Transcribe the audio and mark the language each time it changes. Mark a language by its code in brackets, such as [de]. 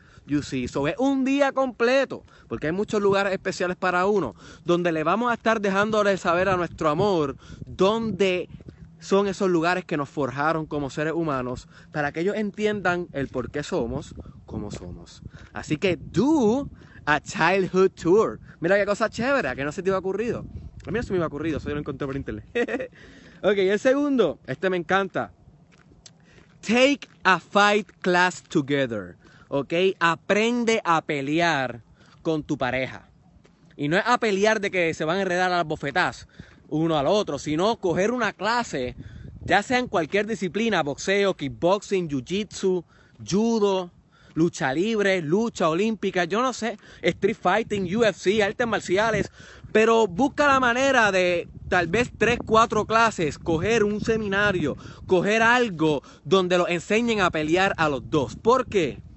[en] You see, [es] eso es un día completo, porque hay muchos lugares especiales para uno, donde le vamos a estar dejándole saber a nuestro amor dónde son esos lugares que nos forjaron como seres humanos para que ellos entiendan el por qué somos como somos. Así que [en] do a childhood tour. [es] Mira qué cosa chévere, que no se te había ocurrido. A mí no se me había ocurrido, eso yo lo encontré por internet. Ok, el segundo, este me encanta. [en] Take a fight class together. [es] Ok, aprende a pelear con tu pareja. Y no es a pelear de que se van a enredar a las bofetadas uno al otro, sino coger una clase, ya sea en cualquier disciplina, boxeo, kickboxing, jiu-jitsu, judo, lucha libre, lucha olímpica, yo no sé, street fighting, UFC, artes marciales, pero busca la manera de tal vez 3-4 clases, coger un seminario, coger algo donde lo enseñen a pelear a los dos. ¿Por qué?